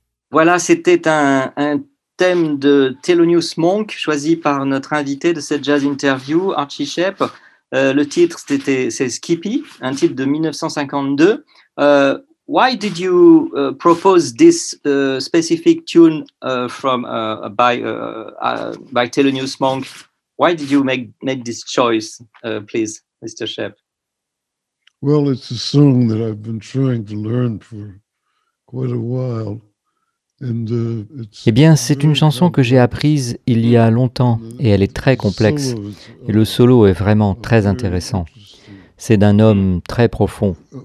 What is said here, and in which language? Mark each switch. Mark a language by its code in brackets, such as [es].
[fr] Voilà, c'était un thème de Thelonious Monk, choisi par notre invité de cette jazz interview, Archie Shepp. Le titre, c'est Skippy, un titre de 1952. [en] Why did you propose this specific tune by Thelonious Monk? Why did you make this choice, please, Mr. Shepp? Well, it's a song that I've been trying to learn for quite a while. [fr] Eh bien, c'est une chanson que j'ai apprise il y a longtemps et elle est très complexe. Et le solo est vraiment très intéressant. C'est d'un homme très profond.